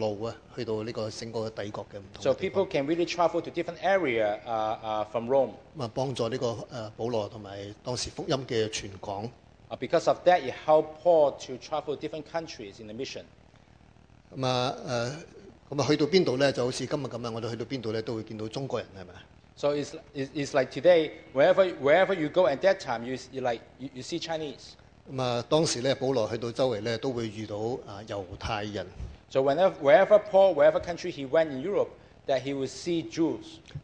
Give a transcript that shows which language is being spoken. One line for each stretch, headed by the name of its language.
Chinese: 咁啊，大家咧都好容易嘅去唔同嘅地方，經過呢啲咁羅馬嘅路啊，去到呢個整個帝國嘅唔同地方。
English: So people can really travel to different area from Rome.
Chinese: 咁啊，幫助呢個保羅同埋當時福音嘅傳講。
English: Because of that, it helped Paul to travel different countries in the mission.
Chinese: 咁啊，去到邊度咧，就好似今日咁啊，我哋去到邊度咧，都會見到中國人，係咪？
English: So it's like today, wherever you go at that time, you see Chinese.
Chinese: 咁啊，當時咧，保羅去到周圍咧，都會遇到猶太人。
English: So wherever country he went in Europe, that he would see Jews.